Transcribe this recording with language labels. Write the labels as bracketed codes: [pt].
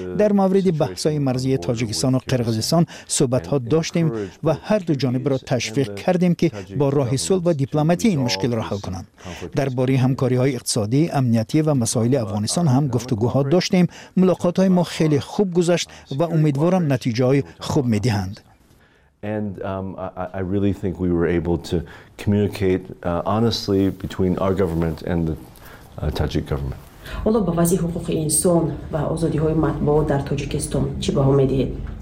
[fa] در مورد بحث‌های مرزی تاجیکستان و قرغیزستان صحبت ها داشتیم و هر دو جانب را تشویق کردیم که با راه صلح و دیپلماتی این مشکل را حل کنند. درباره همکاری های اقتصادی، امنیتی و مسائل افغانستان هم گفتگوها داشتیم. ملاقات های ما خیلی خوب گذشت و امیدوارم نتایج خوب می‌دهند. [en] And I really think we were able to communicate honestly between our government and the Tajik government. [fa] حالا به وضع حقوق انسان و آزادی‌های مطبوعات در تاجیکستان چی باه می‌دهید؟